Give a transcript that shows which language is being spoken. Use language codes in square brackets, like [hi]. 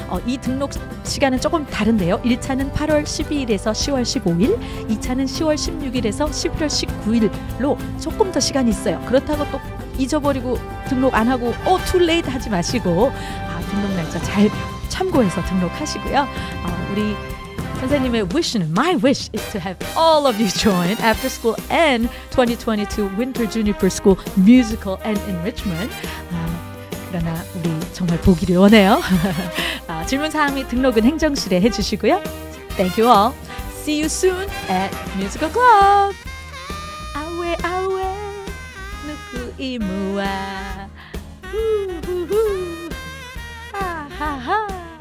[ko] 이 등록 시간은 조금 다른데요. 1차는 8월 12일에서 10월 15일, 2차는 10월 16일에서 11월 19일로 조금 더 시간이 있어요. 그렇다고 또 잊어버리고 등록 안 하고 [en] too late [ko] 하지 마시고 등록 날짜 잘 참고해서 등록하시고요. 우리 선생님의 wish는 [en] my wish is to have all of you join after school and 2022 Winter Juniper School Musical and Enrichment. [ko] 그러나 우리 정말 보기를 원해요. 질문 사항 및 등록은 행정실에 해주시고요. [en] Thank you all. See you soon at Musical Club. 아웨 아웨 누구 이모아 후후후 하하하.